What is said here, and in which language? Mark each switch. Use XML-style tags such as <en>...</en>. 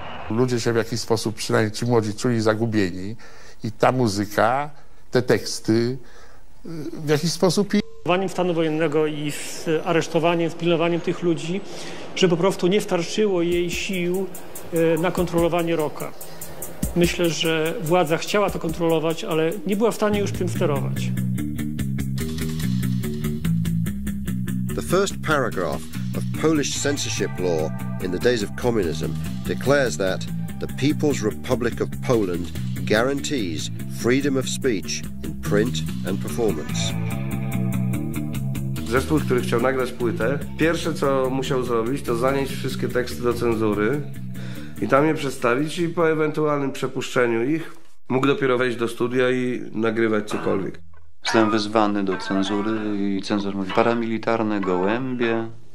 <pl>Ludzie się w jakiś sposób, przynajmniej ci młodzi, czuli zagubieni i ta muzyka, te teksty w jakiś sposób... Stanu wojennego i z aresztowaniem, z pilnowaniem tych ludzi, że po prostu nie starczyło jej sił na kontrolowanie rocka. Myślę, że władza chciała to kontrolować, ale nie była w stanie już tym sterować.</pl> <en>The first paragraph of Polish censorship law in the days of communism declares that the People's Republic of Poland guarantees freedom of speech in print and performance.</en> <pl>Zespół, który chciał nagrać płytę, pierwsze co musiał zrobić, to zanieść wszystkie teksty do cenzury i tam je przedstawić i po ewentualnym przepuszczeniu ich mógł dopiero wejść do studia i nagrywać cokolwiek. Zostałem wezwany do cenzury i cenzor mówi: paramilitarne gołębie.</pl>